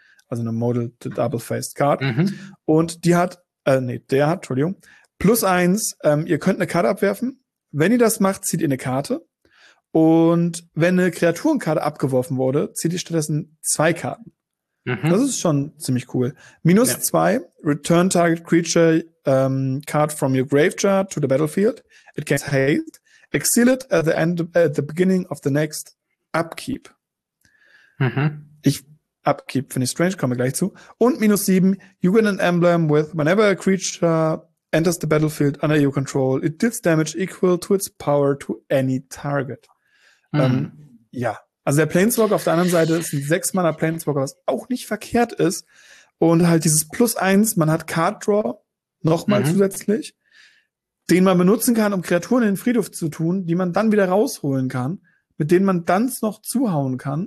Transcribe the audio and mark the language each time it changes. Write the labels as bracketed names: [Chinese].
[German] Also eine Model to Double-Faced Card. Mhm. Und die hat, der hat, +1, ihr könnt eine Karte abwerfen. Wenn ihr das macht, zieht ihr eine Karte. Und wenn eine Kreaturenkarte abgeworfen wurde, zieht ihr stattdessen 2 Karten. Mhm. Das ist schon ziemlich cool. [English] -2, return target creature card from your graveyard to the battlefield. It gets haste. Exile it at the end, at the beginning of the next upkeep. Mhm. [German] Upkeep finde ich strange, kommen wir gleich zu. [English] Und -7, you get an emblem with whenever a creature enters the battlefield under your control, it deals damage equal to its power to any target. [German] Also der Planeswalker auf der anderen Seite ist ein 6-Mana Planeswalker, was auch nicht verkehrt ist. Und halt dieses +1, man hat Card Draw nochmal zusätzlich, den man benutzen kann, um Kreaturen in den Friedhof zu tun, die man dann wieder rausholen kann, mit denen man dann noch zuhauen kann.